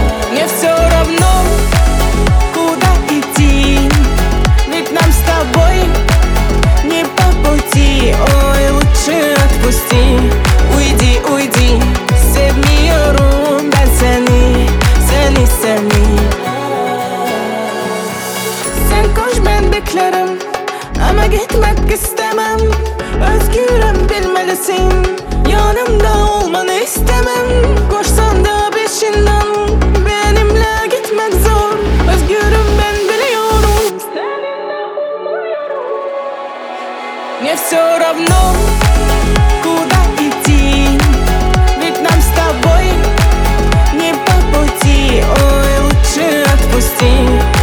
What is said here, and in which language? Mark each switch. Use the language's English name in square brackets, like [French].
[Russian] Мне все равно, куда идти, ведь нам с тобой не по пути. Ой, лучше отпусти, уйди, уйди. Все в миру, да цени, цени, цени. [Turkish] Sen koş ben beklerim, ama gitmek istemem. Özgürüm bilmelisin, yanımda olmanı istemem. Koşsan da peşinden, benimle gitmek zor. Özgürüm ben biliyorum, seninle olmuyorum. [Russian] Мне все равно, куда идти, ведь нам с тобой не по пути. Ой, лучше отпустить.